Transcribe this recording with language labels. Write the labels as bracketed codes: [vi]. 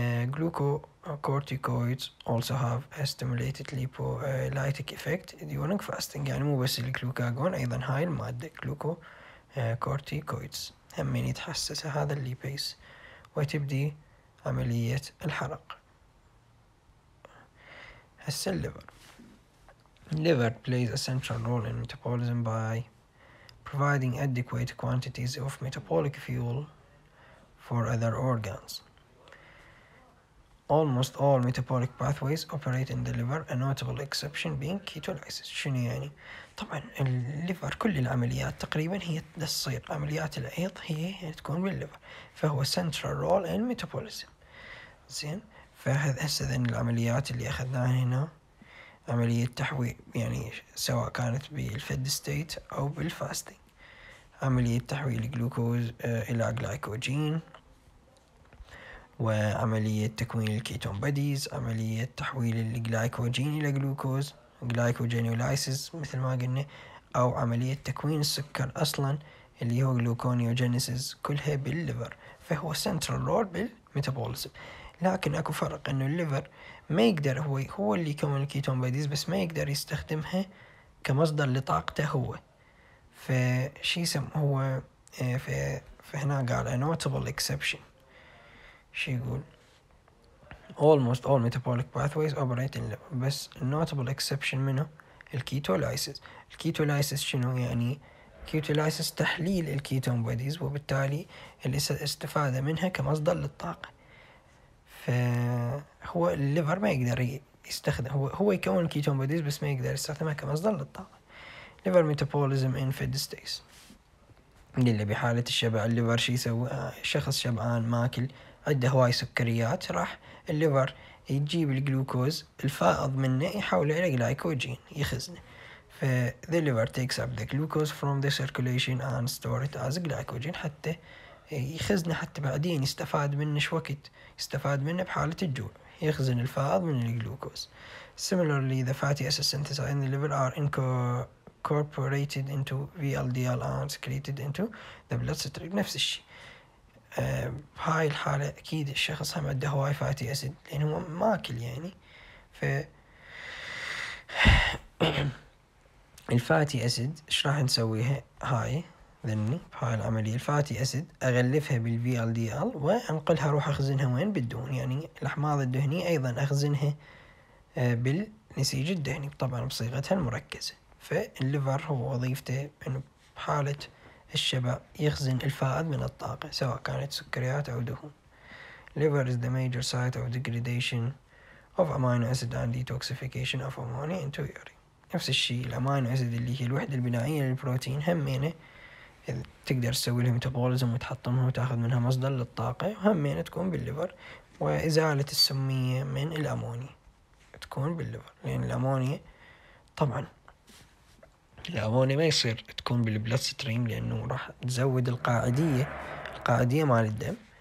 [ar] جلوكو كورتيكويدز [en] also have a stimulated lipolytic effect during fasting، [ar] يعني مو بس الكلوكاغون، ايضا هاي المادة جلوكو كورتيكويدز هم من يتحسسها هذا الليبيز وتبدي عملية الحرق. هسه الليفر. [en] الليفر plays a central role in metabolism by providing adequate quantities of metabolic fuel for other organs. Almost all metabolic pathways operate in the liver, a notable exception being ketolysis. [ar] شنو يعني؟ طبعا الليفر كل العمليات تقريبا هي تصير عمليات العيض هي تكون بالليفر، فهو [en] central role in metabolism. [ar] زين فهذا هسه العمليات اللي اخذناها هنا عملية تحويل، يعني سواء كانت بالفيد ستيت او بالفاستنج، عملية تحويل الجلوكوز الى جلايكوجين، وعملية تكوين الكيتون بوديز، عملية تحويل الجلايكوجين الى جلوكوز جلايكوجينولايسيس مثل ما قلنا، او عملية تكوين السكر اصلا اللي هو جلوكونيوجينيسيس، كلها بالليفر، فهو سنترال رول بالميتابوليزم. لكن اكو فرق انه الليفر ما يقدر هو اللي يكون الكيتون بوديز، بس ما يقدر يستخدمها كمصدر لطاقته هو، فشي يسمه هو فهنا قال [en] a notable exception. [ar] شي يقول [en] almost all metabolic pathways operate in liver، [ar] بس [en] notable exception [ar] منه الكيتولايسيس. الكيتولايسيس شنو يعني؟ كيتولايسيس تحليل الكيتون بوديز وبالتالي الاستفادة منها كمصدر للطاقة، فهو الليفر ما يقدر يستخدم، هو يكون الكيتون بوديز بس ما يقدر يستخدمها كمصدر للطاقة. ليفر ميتابوليزم ان فيد ستيس، اللي بحالة الشبع الليفر شي يسوي؟ شخص شبعان ماكل عنده هواي سكريات، راح الليفر يجيب الجلوكوز الفائض منه يحوله الى جلايكوجين يخزنه. ف [en] the liver takes up the glucose from the circulation and store it as glycogen [ar] حتى يخزنه، حتى بعدين يستفاد منه شوكت، يستفاد منه بحالة الجوع يخزن الفائض من الجلوكوز. [en] similarly the fatty acids synthesized in the liver are incorporated into VLDL and secreted into the bloodstream. [ar] نفس الشيء بهاي الحالة أكيد الشخص هم عنده هواي فاتي أسيد لأنه هو ماكل، يعني ف الفاتي أسيد إيش راح نسويها؟ هاي لاني في هاي العملية الفاتي أسيد أغلفها بال VLDL وأنقلها أروح أخزنها وين بالدهون، يعني الأحماض الدهنية أيضا أخزنها بالنسيج الدهني طبعا بصيغتها المركزة. فالليفر هو وظيفته أنه بحالة الشبع يخزن الفائض من الطاقة سواء كانت سكريات أو دهون. [en] Liver is the major site of degradation of amino acid and detoxification of ammonia into urine. [ar] نفس الشيء الأمينو أسيد اللي هي الوحدة البنائية للبروتين همينة تقدر تسوي لهم ميتابوليزم وتحطمها وتاخذ منها مصدر للطاقة، وهمين تكون بالليفر. وإزالة السمية من الأمونيا تكون بالليفر، لأن الأمونيا طبعا الأمونيا ما يصير تكون بالبلاد ستريم لأنه راح تزود القاعدية مال الدم.